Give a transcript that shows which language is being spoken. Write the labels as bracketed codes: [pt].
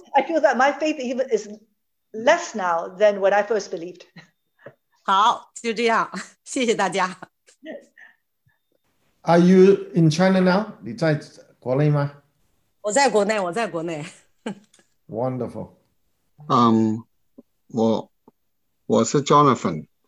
[en] I feel that my faith even is less now than when I first believed. [zh] 好，就这样，谢谢大家。 Are [en] you in China now? 你在国内吗？ [zh] 我在国内，我在国内。 Wonderful. 我是 Jonathan.